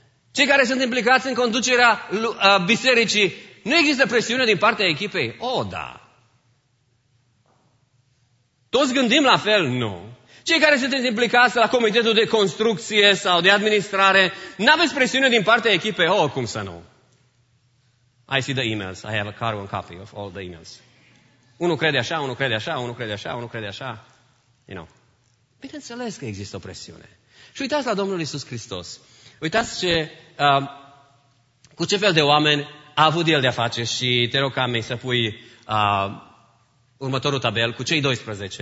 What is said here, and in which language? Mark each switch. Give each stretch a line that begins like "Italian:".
Romanian: Cei care sunt implicați în conducerea bisericii, nu există presiune din partea echipei? O, da. Toți gândim la fel? Nu. Cei care sunteți implicați la comitetul de construcție sau de administrare, n-aveți presiune din partea echipei? O, cum să nu?
English: I see the emails. I have a carbon copy of all the emails.
Romanian: Unul crede așa, unul crede așa, unul crede așa, unul crede așa.
English: You know.
Romanian: Bineînțeles că există o presiune. Și uitați la Domnul Iisus Hristos. Uitați cu ce fel de oameni a avut El de-a face și te rog, Cami, să pui următorul tabel cu cei 12.